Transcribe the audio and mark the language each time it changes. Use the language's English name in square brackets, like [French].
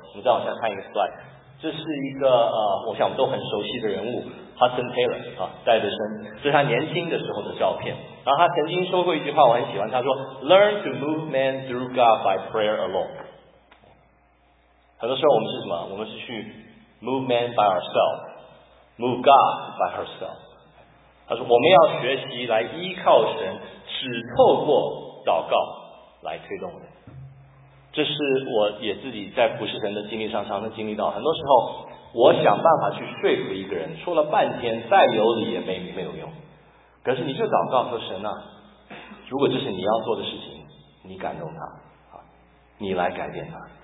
[Chinese] 我们再往下看一个 slide， 这是一个我想我们都很熟悉的人物 ，Hudson Taylor 啊，戴德森，这是他年轻的时候的照片。然后他曾经说过一句话，我很喜欢，他说 ： [English] “Learn to move men through God by prayer alone。” [Chinese] 很多时候我们是什么？我们是去 [English] move man by ourselves, move God by herself. [Chinese] 他说我们要学习来依靠神，只透过祷告来推动人。这是我也自己在服侍神的经历上常常经历到，很多时候我想办法去说服一个人，说了半天再有理也没有用，可是你就祷告说，神啊，如果这是你要做的事情，你感动他，你来改变他。